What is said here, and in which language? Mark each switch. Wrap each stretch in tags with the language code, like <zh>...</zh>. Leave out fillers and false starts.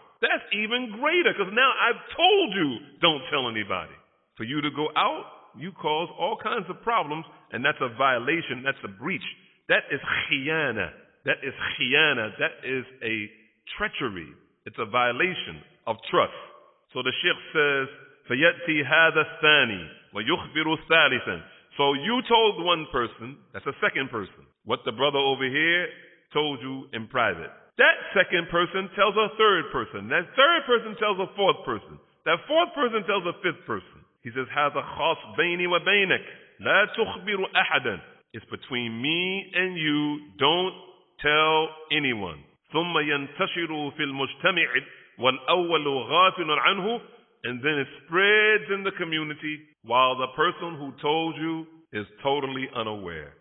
<en>That's even greater, because now I've told you, don't tell anybody. For you to go out, you cause all kinds of problems, and that's a violation, that's a breach. That is khiyana. That is khiyana. That is a treachery. It's a violation of trust. So the sheikh says,</en> <ar>فَيَأْتِي هَذَا الثَّانِي وَيُخْبِرُ ثَالِثًا.</ar> <en>So you told one person, that's a second person, what the brother over here told you in private. That second person tells a third person. That third person tells a fourth person. That fourth person tells a fifth person. He says,</en> <ar>هَذَا خَاصْ بَيْنِي وَبَيْنَكَ لَا تُخْبِرُ أَحَدًا.</ar> <en>It's between me and you, don't tell anyone.</en> <ar>ثُمَّ يَنْتَشِرُ فِي الْمُجْتَمِعِ وَالْأَوَّلُ غَافِلٌ عَنْهُ.</ar> <en>And then it spreads in the community while the person who told you is totally unaware.</en>